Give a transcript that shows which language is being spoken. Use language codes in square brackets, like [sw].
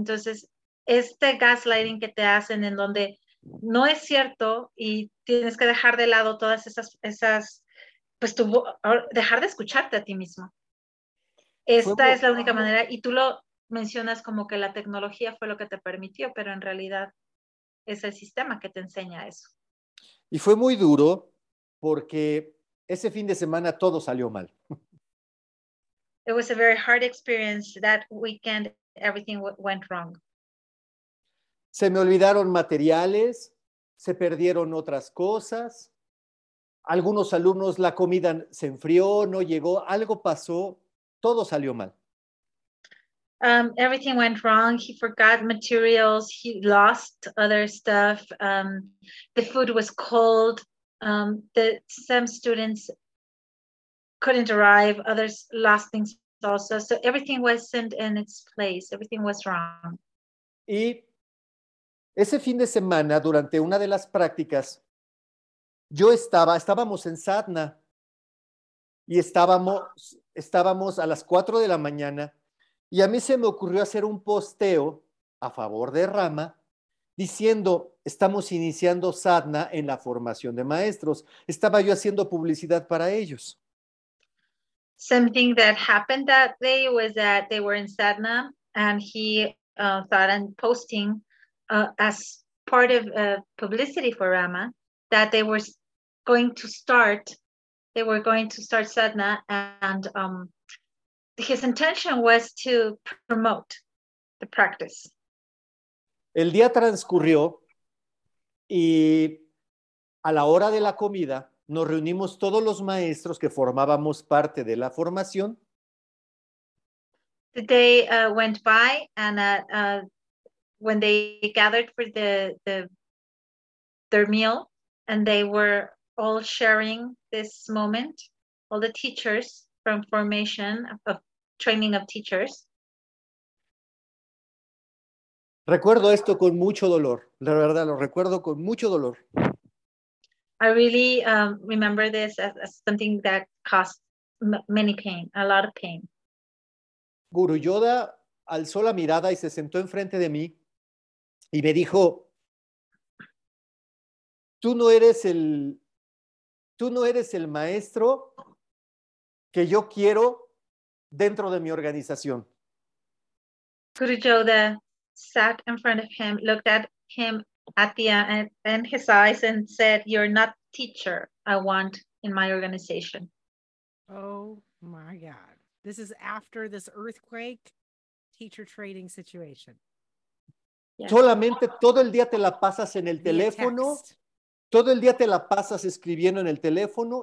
[es] Entonces, este gaslighting que te hacen en donde no es cierto y tienes que dejar de lado todas esas pues tu, dejar de escucharte a ti mismo. Esta es la única manera, y tú lo mencionas como que la tecnología fue lo que te permitió, pero en realidad es el sistema que te enseña eso. Y fue muy duro porque ese fin de semana todo salió mal. [en] It was a very hard experience that weekend. Everything went wrong. [es] Se me olvidaron materiales, se perdieron otras cosas. Algunos alumnos, la comida se enfrió, no llegó, algo pasó, todo salió mal. [en] Everything went wrong. He forgot materials. He lost other stuff. The food was cold. Some students couldn't arrive. Others lost things also. So everything wasn't in its place. Everything was wrong. [es] Y ese fin de semana, durante una de las prácticas, estábamos en Sadhana. Y estábamos a las 4 de la mañana. Y a mí se me ocurrió hacer un posteo a favor de Rama diciendo, estamos iniciando Sadhana en la formación de maestros. Estaba yo haciendo publicidad para ellos. [en] Something that happened that day was that they were in Sadhana and he thought and posting as part of publicity for Rama that they were going to start Sadhana and his intention was to promote the practice. [es] El día transcurrió y a la hora de la comida nos reunimos todos los maestros que formábamos parte de la formación. [en] The day went by and when they gathered for their meal and they were all sharing this moment, all the teachers from formation of training of teachers. [es] Recuerdo esto con mucho dolor. La verdad, lo recuerdo con mucho dolor. [en] I really remember this as something that caused many pain, a lot of pain. [es] Guru Yoda alzó la mirada y se sentó enfrente de mí y me dijo, tú no eres el maestro que yo quiero dentro de mi organización. [en] Guru Yoda sat in front of him, looked at him at the end his eyes and said, you're not teacher I want in my organization. Oh my God. This is after this earthquake teacher training situation. Yes. [es] Solamente todo el día te la pasas en el teléfono. Todo el día te la pasas escribiendo en el teléfono.